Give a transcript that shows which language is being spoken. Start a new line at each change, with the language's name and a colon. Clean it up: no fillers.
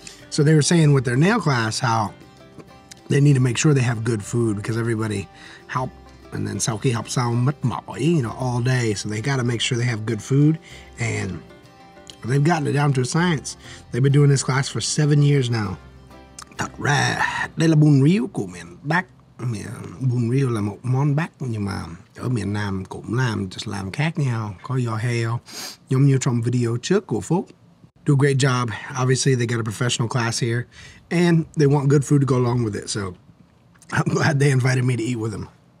English: So they were saying with their nail class how they need to make sure they have good food because everybody help and then
Vietnamese: sau khi học xong mất mỏi,
English: you know, all day. So they got to make sure they have good food and they've gotten it down to a science. They've been doing this class for 7 years now.
Vietnamese: Thật ra, đây là bún riêu của miền Bắc. Bún riêu là một món Bắc nhưng mà ở miền Nam cũng làm, just làm khác nhau. Có giò heo, giống như trong video trước của Phúc.
English: Do a great job. Obviously, they got a professional class here. And they want good food to go along with it, so I'm glad they invited me to eat with them.